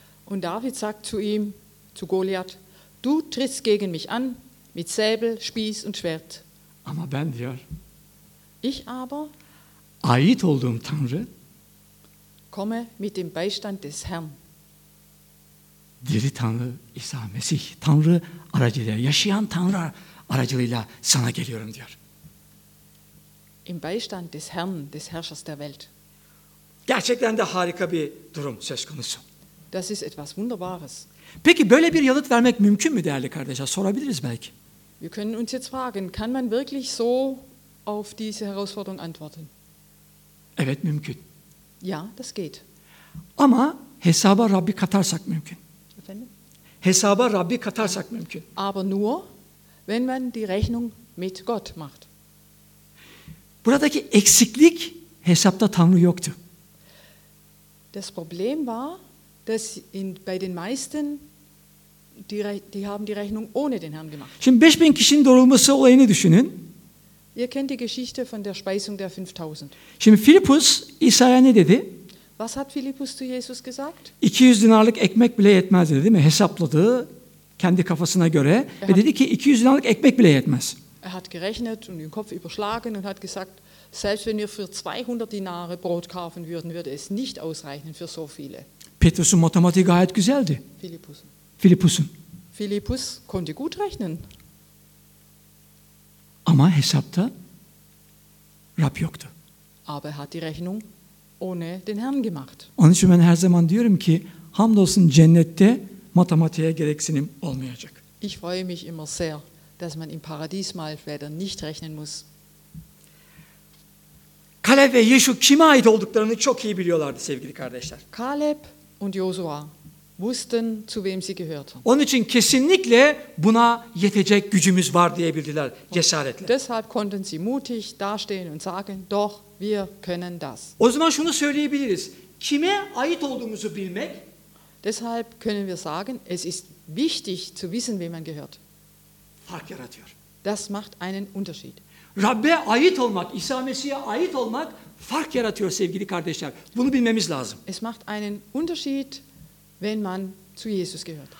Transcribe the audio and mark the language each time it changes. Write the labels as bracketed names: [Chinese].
[German] Und David sagt zu ihm, zu Goliath, du trittst gegen mich an, mit Säbel, Spieß und Schwert. [Turkish] Ama ben diyor, [German] ich aber, [Turkish] ait olduğum Tanrı, [German] komme mit dem Beistand des Herrn. [Turkish] Diri Tanrı, İsa Mesih, Tanrı aracılığıyla, yaşayan Tanrı aracılığıyla sana geliyorum diyor. [German] Im Beistand des Herrn, des Herrschers der Welt. [Turkish] Gerçekten de harika bir durum söz konusu. [German] Das ist etwas Wunderbares. [Turkish] Peki böyle bir yanıt vermek mümkün mü değerli kardeşler? Sorabiliriz belki. [German] Wir können uns jetzt fragen, kann man wirklich so auf diese Herausforderung antworten? [Turkish] Evet, evet, mümkün. [German] Ja, das geht. [Turkish] Ama hesaba Rabbi katarsak mümkün. Efendim? Hesaba Rabbi katarsak mümkün. [German] Aber nur, wenn man die Rechnung mit Gott macht. [Turkish] Buradaki eksiklik hesapta Tanrı yoktu. [German] Das Problem war, dass bei den meisten die haben die Rechnung ohne den Herrn gemacht. [Turkish] Şimdi 5000 kişinin doğrulması olayını düşünün. [German] Ihr kennt die Geschichte von der Speisung der 5000. [Turkish] Şimdi Philippus İsa'ya ne dedi? [German] Was hat Philippus zu Jesus gesagt? [Turkish] 200 dinarlık ekmek bile yetmez dedi, değil mi? Hesapladı kendi kafasına göre ve dedi ki 200 dinarlık ekmek bile yetmez. [German] Er hat gerechnet und den Kopf überschlagen und hat gesagt, selbst wenn wir für 200 Dinare Brot kaufen würden, würde es nicht ausreichen für so viele. [Turkish] Petrus'un matematiği gayet güzeldi. Philippus'un. [German] Philippus konnte gut rechnen. [Turkish] Ama hesapta Rab yoktu. [German] Aber er hat die Rechnung ohne den Herrn gemacht. [Turkish] Onun için ben her zaman diyorum ki, hamdolsun cennette matematiğe gereksinim olmayacak. [German] Ich freue mich immer sehr, dass man im Paradies mal weder nicht rechnen muss. [Turkish] Kaleb ve Yeşu kime ait olduklarını çok iyi biliyorlardı sevgili kardeşler. [German] Kaleb und Josua wussten, zu wem sie gehörten. [Turkish] Onun için kesinlikle buna yetecek gücümüz var diyebildiler cesaretle. [German] Deshalb konnten sie mutig dastehen und sagen, doch wir können das. [Turkish] O zaman şunu söyleyebiliriz. Kime ait olduğumuzu bilmek. [German] Deshalb können wir sagen, es ist wichtig zu wissen, wem man gehört. [Turkish] Fark yaratıyor. [German] Das macht einen Unterschied. [Turkish] Rabbe ait olmak, İsa Mesih'e ait olmak fark yaratıyor sevgili kardeşler. Bunu bilmemiz lazım. [German] Es macht einen Unterschied, wenn man zu Jesus gehört.